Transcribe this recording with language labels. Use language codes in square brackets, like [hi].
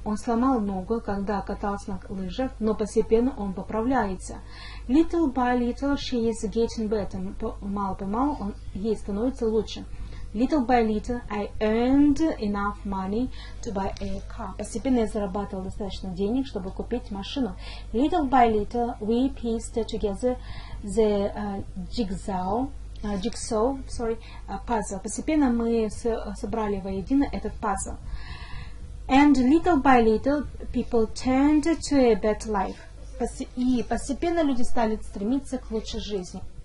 [ru] Он сломал ногу, когда катался на лыжах, но постепенно он поправляется. [en] Little by little she is getting better. [ru] Мало-помалу он ей становится лучше. [en] Little by little I earned enough money to buy a car. [ru] Постепенно я зарабатывал достаточно денег, чтобы купить машину. [en] Little by little we pieced together the jigsaw puzzle. [ru] Постепенно мы собрали воедино этот пазл. [en] And little by little people turned to a better life. [ru] И постепенно люди стали стремиться к лучшей жизни.